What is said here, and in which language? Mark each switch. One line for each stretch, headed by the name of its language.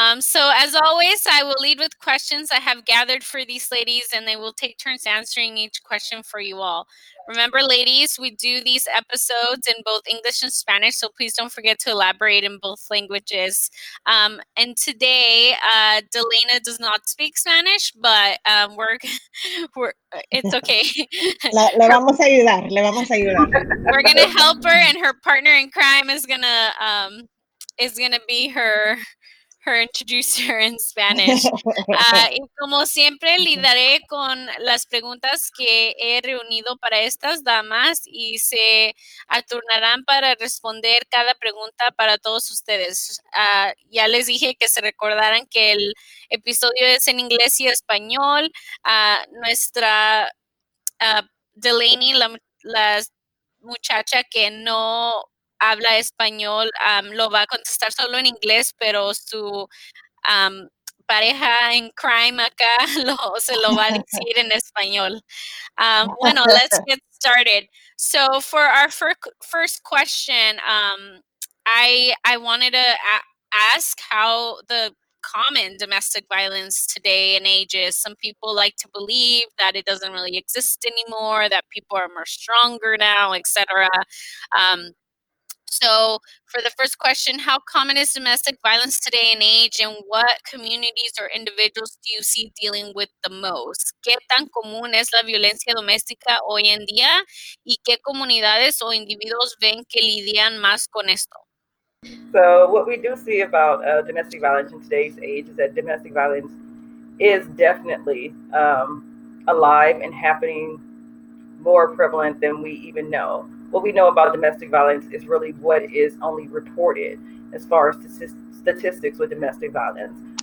English: So as always, I will lead with questions I have gathered for these ladies, and they will take turns answering each question for you all. Remember, ladies, we do these episodes in both English and Spanish, so please don't forget to elaborate in both languages. And today, Delaina does not speak Spanish, but it's okay.
Spanish: Le vamos a ayudar, le vamos a ayudar.
English: We're going to help her, and her partner in crime is going to be her her introducer in Spanish.
Spanish: Y como siempre, lidaré con las preguntas que he reunido para estas damas y se aturnarán para responder cada pregunta para todos ustedes. Ya les dije que se recordaran que el episodio es en inglés y español. Nuestra Delaney, la muchacha que no habla español, lo va a contestar solo en inglés, pero su pareja en crime acá se lo va a decir en español. Bueno,
English: let's get started. So for our first question, I wanted to ask how the common domestic violence today and ages. Some people like to believe that it doesn't really exist anymore, that people are more stronger now, etc. So for the first question, how common is domestic violence today and age, and what communities or individuals do you see dealing with the most?
Spanish: ¿Qué tan común es la violencia doméstica hoy en día? ¿Y qué comunidades o individuos ven que lidian más con esto?
English: So what we do see about domestic violence in today's age is that domestic violence is definitely alive and happening, more prevalent than we even know. What we know about domestic violence is really what is only reported as far as statistics with domestic violence.